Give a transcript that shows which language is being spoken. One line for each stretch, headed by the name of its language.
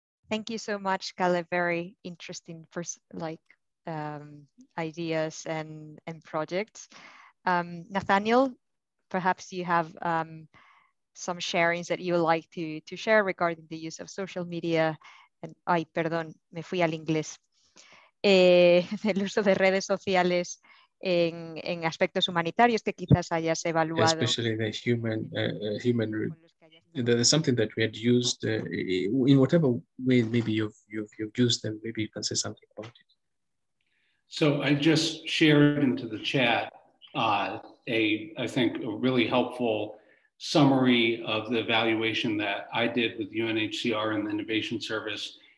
English: Thank you so much, Kale. Very interesting first, like, ideas and projects. Nathaniel, perhaps you have some sharings that you would like to share regarding the use of social media.
Spanish: And ay, perdón, me fui al inglés. El uso de redes sociales en aspectos humanitarios que quizás hayas evaluado.
English: Especially the human human. There's something that we had used in whatever way. Maybe you've used them. Maybe you can say something about it. So I just shared into the chat a really helpful summary of the evaluation that I did with UNHCR and the Innovation Service.